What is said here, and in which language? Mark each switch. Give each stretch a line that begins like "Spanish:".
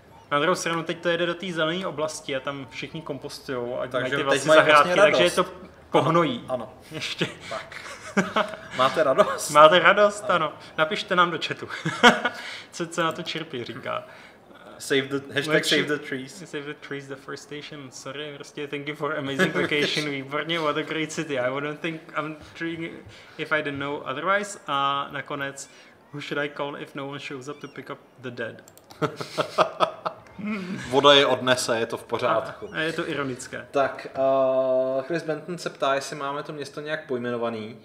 Czech: Na druhou stranu, teď to jede do té zelené oblasti a tam všichni kompostujou a takže mají ty vlastní zahrádky, vlastně takže je to pohnojí. Ano. Ještě. Tak. Máte radost? Máte radost, ano. Napište nám do chatu, co na to Čirpy říká.
English: Save the trees. Save the trees, deforestation, sorry.
Czech: Prostě,
English: thank you for amazing vacation,
Czech: výborně,
English: what a great city. I wouldn't think I'm dreaming if I didn't know otherwise.
Czech: A nakonec,
English: who should I call if no one shows up to pick up the dead?
Czech: Voda je odnese, je to v pořádku. A je to ironické. Tak, Chris Benton se ptá, jestli máme to město nějak pojmenovaný.